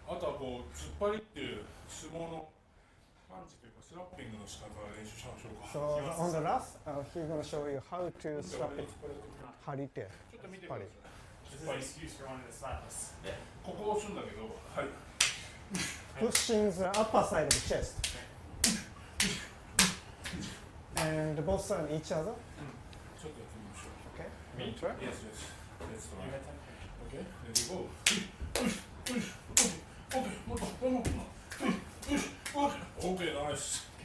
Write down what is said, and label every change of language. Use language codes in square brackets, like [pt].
[ja] あとはこう、突っ張りっていう相撲のパンチというかスラッピングの仕方を練習しましょうか。 [en] So, on the last, he's going to show you how to slap it. [ja] 張り手。ちょっと見てください。 [en] This is an excuse for wanting to slap us. [ja] ここを押すんだけど、はい。 [en] Pushing the upper side of the chest. And both sides on each other. [ja] ちょっとやってみましょう。 [en] Okay. Me? Yes, yes. Let's try. Okay, ready, go. Okay, nice.